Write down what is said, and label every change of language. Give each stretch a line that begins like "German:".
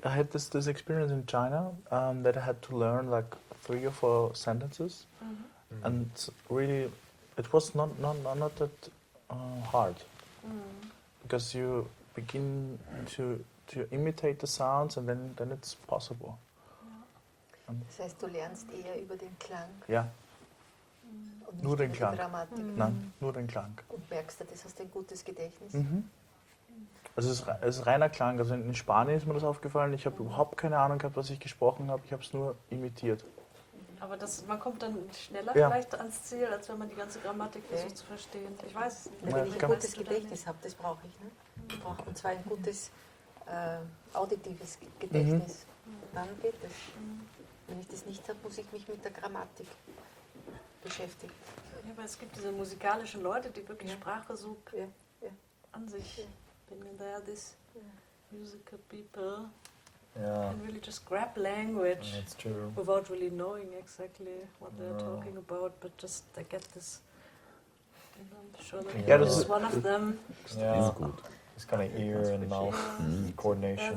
English: I had this experience in China that I had to learn like 3 or 4 sentences, mm-hmm. and really, it was not that hard, mm. because you begin to imitate the sounds and then it's possible. Yeah.
German: Das heißt, du lernst eher über den Klang.
English: Yeah.
German: Nur den Klang. Mhm. Nein, nur den Klang. Und merkst du, das hast du ein gutes Gedächtnis? Mhm. Also es ist reiner Klang. Also in Spanien ist mir das aufgefallen. Ich habe überhaupt keine Ahnung gehabt, was ich gesprochen habe. Ich habe es nur imitiert. Aber man kommt dann schneller vielleicht ans Ziel, als wenn man die ganze Grammatik versucht zu verstehen. Ich weiß es nicht. Wenn ich ein gutes Gedächtnis habe, das brauche ich. Ne? Ich brauche und zwar ein gutes auditives Gedächtnis. Mhm. Dann geht das. Mhm. Wenn ich das nicht habe, muss ich mich mit der Grammatik beschäftigt. Ja, aber es gibt diese musikalischen Leute, die wirklich Sprache so an sich.
English: Yeah. Bin there, this musical people can really just grab language without really knowing exactly what they're talking about, but just they get this. And I'm sure that this is one of them. Yeah, it's good. It's kind of ear and mouth coordination.